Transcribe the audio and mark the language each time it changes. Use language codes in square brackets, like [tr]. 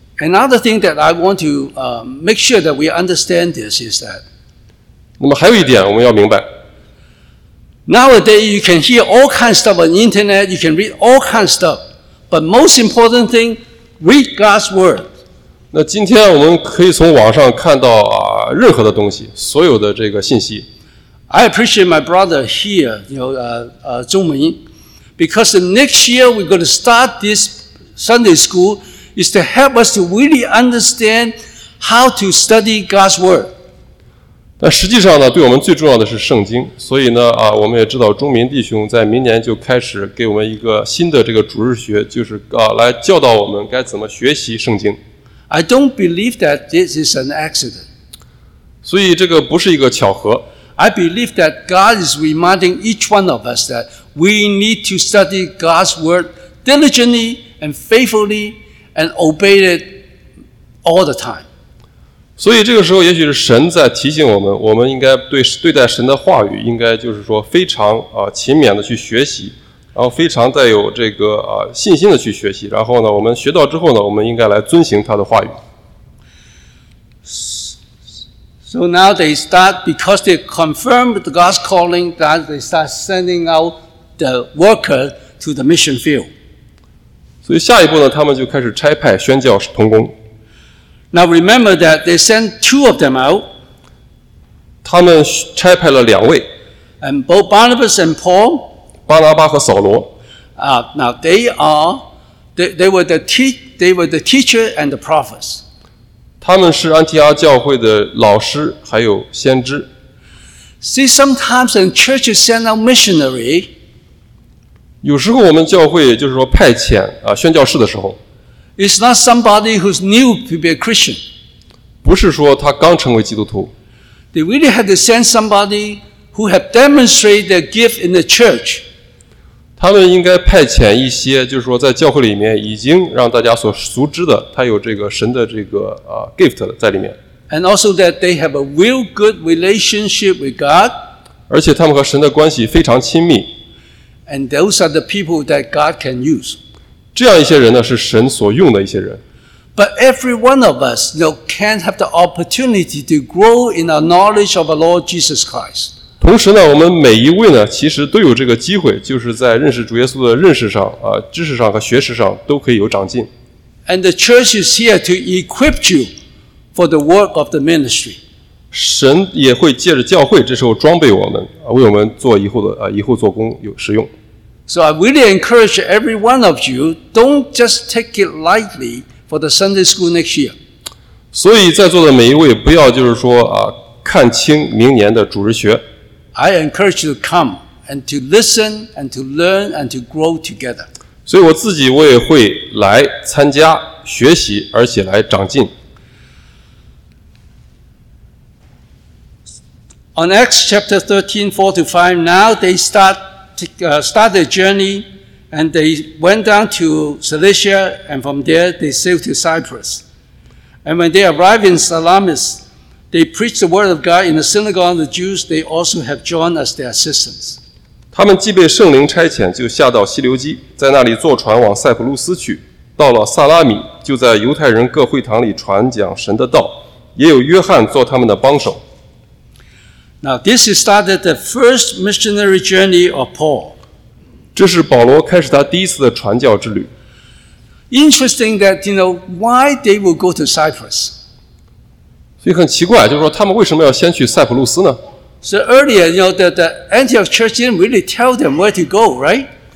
[en] Another thing that I want to make sure that we understand this is that. [zh] 那么还有一点我们要明白。 [en] Nowadays you can hear all kinds of stuff on the internet, you can read all kinds of stuff, but most important thing, read God's word. [zh] 那今天我们可以从网上看到啊任何的东西，所有的这个信息。 [en] I appreciate my brother here, you know, 钟明 because the next year we're going to start this Sunday school is to help us to really understand how to study God's word. [zh] 但实际上呢，对我们最重要的是圣经，所以呢啊，我们也知道钟明弟兄在明年就开始给我们一个新的这个主日学，就是啊来教导我们该怎么学习圣经。 [en] I don't believe that this is an accident. [zh] 所以这个不是一个巧合。 [en] I believe that God is reminding each one of us that we need to study God's word diligently and faithfully and obey it all the time. [zh] 所以这个时候也许是神在提醒我们，我们应该对待神的话语应该就是说非常勤勉的去学习然后非常带有这个信心的去学习，然后呢我们学到之后呢我们应该来遵行他的话语。 [en] So now they start, because they confirmed God's calling, that they start sending out the worker to the mission field. [zh] 所以下一步呢他们就开始差派宣教同工。 [en] Now remember that they sent two of them out. [zh] 他们差派了两位。 [en] And both Barnabas and Paul, [zh] 巴拿巴和扫罗。 [en] Now they were the teacher and the prophets. [zh] 他们是安提阿教会的老师还有先知。 [en] See, sometimes when churches send out missionary, [zh] 有时候我们教会就是说派遣宣教士的时候。 [en] It's not somebody who's new to be a Christian. [zh] 不是说他刚成为基督徒。 [en] They really had to send somebody who had demonstrated their gift in the church. [zh] 他们应该派遣一些就是说在教会里面已经让大家所熟知的他有这个神的这个gift 在里面。 [en] And also that they have a real good relationship with God. [zh] 而且他们和神的关系非常亲密。 [en] And those are the people that God can use. [zh] 这样一些人呢是神所用的一些人。 [en] But every one of us, you know, can have the opportunity to grow in our knowledge of the Lord Jesus Christ. [zh] 同时呢我们每一位呢其实都有这个机会就是在认识主耶稣的认识上知识上和学识上都可以有长进。 [en] And the church is here to equip you for the work of the ministry. [zh] 神也会借着教会这时候装备我们为我们做以后的以后做工有使用。 [en] So I really encourage every one of you, don't just take it lightly for the Sunday school next year. [zh] 所以在座的每一位不要就是说看清明年的主日学。 [en] I encourage you to come and to listen and to learn and to grow together. [zh] 所以我自己我也会来参加学习而且来长进。 [en] On Acts chapter 13:4-5, now they start the journey and they went down to Cilicia and from there they sailed to Cyprus. And when they arrived in Salamis,They preach the word of God in the synagogue of the Jews. They also have John as their assistants. [zh] 他们既被圣灵差遣，就下到西流基，在那里坐船往塞浦路斯去。到了萨拉米，就在犹太人各会堂里传讲神的道，也有约翰做他们的帮手。 [en] Now this is started the first missionary journey of Paul. [zh] 这是保罗开始他第一次的传教之旅。 [en] Interesting that you know why they will go to Cyprus. [zh] 所以很奇怪，就是说他们为什么要先去塞浦路斯呢 [en] ？So earlier, you know, the Antioch Church didn't really tell them where to go, right?